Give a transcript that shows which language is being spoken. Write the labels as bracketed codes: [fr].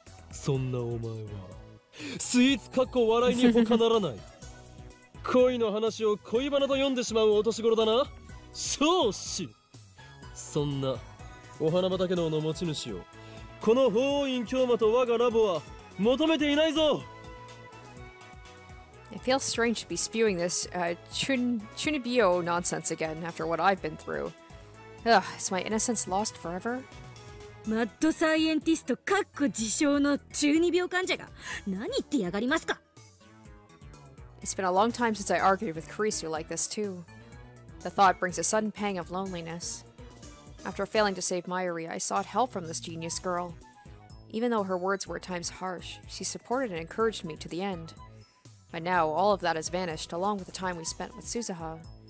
[ja] そんなお前は、スイーツかっこ笑いに他ならない。恋の話を恋バナと読んでしまうお年頃だな。少子。そんなお花畑の持ち主をこの法院教馬と我がラボは求めていないぞ。 [en] It feels strange to be spewing this Chunibyo nonsense again after what I've been through. Ugh, is my innocence lost forever? [ja] マッドサイエンティストかっこ自称の中二病患者が何言ってやがりますか。 [en] It's been a long time since I argued with Carisu like this too. The thought brings a sudden pang of lonelinessAfter failing to save Mayuri, I sought help from this genius girl. Even though her words were at times harsh, she supported and encouraged me to the end. But now, all of that has vanished, along with the time we spent with Suzuha.